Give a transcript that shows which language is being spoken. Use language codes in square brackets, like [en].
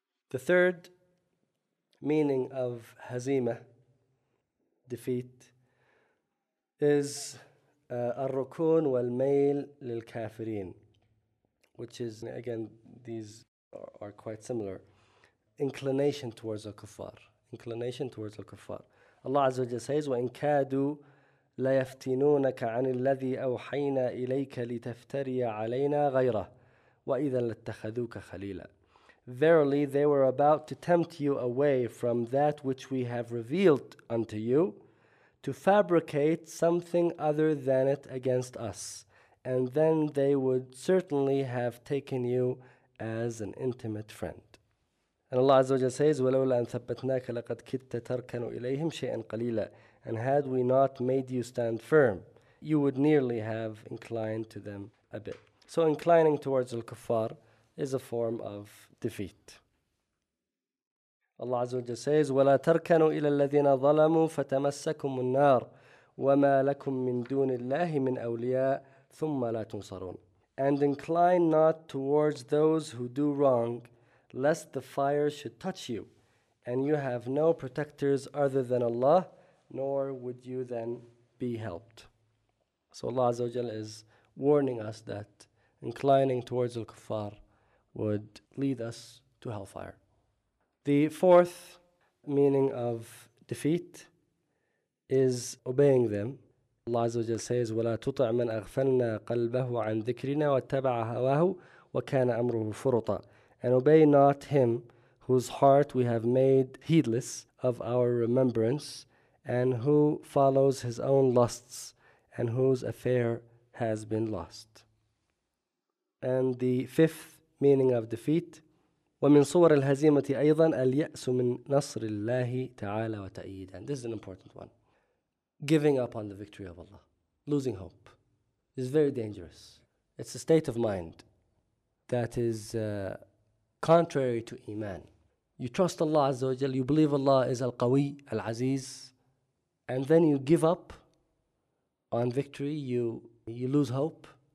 [en] The third meaning of hazima, defeat, is [ar] ar-rukun wal-mail lil-kafirin, [en] which is, again, these are quite similar. Inclination towards al-kuffar. Inclination towards al-kuffar. Allah Azza wa Jalla says, [ar] وَإِن كَادُوا لَيَفْتِنُونَكَ عَنِ الَّذِي أَوْحَيْنَا إِلَيْكَ لِتَفْتَرِيَ عَلَيْنَا غَيْرَهُ وَإِذَا لَتَّخَذُوكَ خَلِيلًا. [en] Verily, they were about to tempt you away from that which we have revealed unto you, to fabricate something other than it against us. And then they would certainly have taken you as an intimate friend. And Allah Azza wa Jalla says, [ar] وَلَوْلَا أَن ثَبَّتْنَاكَ لَقَدْ كِتَّ تَرْكَنُوا إِلَيْهِمْ شَيْئًا قَلِيلًا. [en] And had we not made you stand firm, you would nearly have inclined to them a bit. So inclining towards al-kuffar is a form of defeat. Allah Azza wa Jalla says, [ar] وَلَا تَرْكَنُوا إِلَى الَّذِينَ ظَلَمُوا فَتَمَسَّكُمُ النَّارُ وَمَا لَكُمْ مِنْ دُونِ اللَّهِ مِنْ أَوْلِيَاءَ ثُمَّ لَا تُنصَرُونَ. [en] And incline not towards those who do wrong, lest the fire should touch you, and you have no protectors other than Allah, nor would you then be helped. So Allah Azza wa Jalla is warning us that inclining towards al-kuffar would lead us to hellfire. The fourth meaning of defeat is obeying them. Allah Azza wa Jalla says, [ar] وَلَا تُطْعْ مَنْ أَغْفَلْنَا قَلْبَهُ عَنْ ذِكْرِنَا وَاتَّبَعَ هَوَاهُ وَكَانَ أَمْرُهُ فُرُطًا. [en] And obey not him whose heart we have made heedless of our remembrance, and who follows his own lusts, and whose affair has been lost. And the fifth meaning of defeat, [ar] وَمِنْ صُوَرِ الْهَزِيمَةِ أَيْضًا الْيَأْسُ مِنْ نَصْرِ اللَّهِ تَعَالَى وَتَأْيِيدًا. [en] And this is an important one. Giving up on the victory of Allah, losing hope, is very dangerous. It's a state of mind that is contrary to Iman. You trust Allah Azza wa Jal, you believe Allah is Al-Qawi, Al-Aziz, and then you give up on victory, you lose hope.